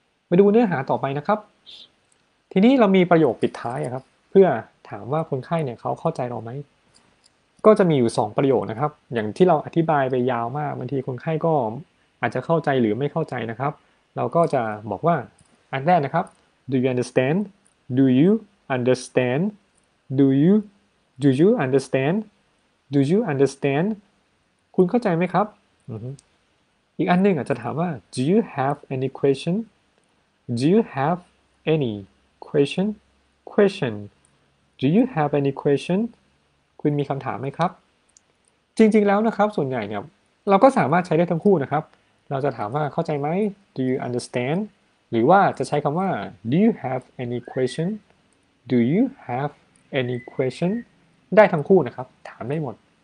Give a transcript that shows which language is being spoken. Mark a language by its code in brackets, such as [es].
[th] มาดูเนื้อหาต่อไปนะครับทีนี้เรามีประโยคปิดท้ายครับเพื่อถามว่าคนไข้เนี่ยเขาเข้าใจเราไหมก็จะมีอยู่2ประโยคนะครับอย่างที่เราอธิบายไปยาวมากบางทีคนไข้ก็อาจจะเข้าใจหรือไม่เข้าใจนะครับเราก็จะบอกว่าอันแรกนะครับ [en] Do you understand? Do you understand? Do you understand? Do you understand? [th] คุณเข้าใจไหมครับอีกอันนึงอาจจะถามว่า [en] Do you have any question? Do you have any question? Question Do you have any question? [th] คุณมีคำถามไหมครับจริงๆแล้วนะครับส่วนใหญ่เนี่ยเราก็สามารถใช้ได้ทั้งคู่นะครับเราจะถามว่าเข้าใจไหม [en] Do you understand [th] หรือว่าจะใช้คำว่า [en] Do you have any question [th] Do you have any question ได้ทั้งคู่นะครับถามได้หมด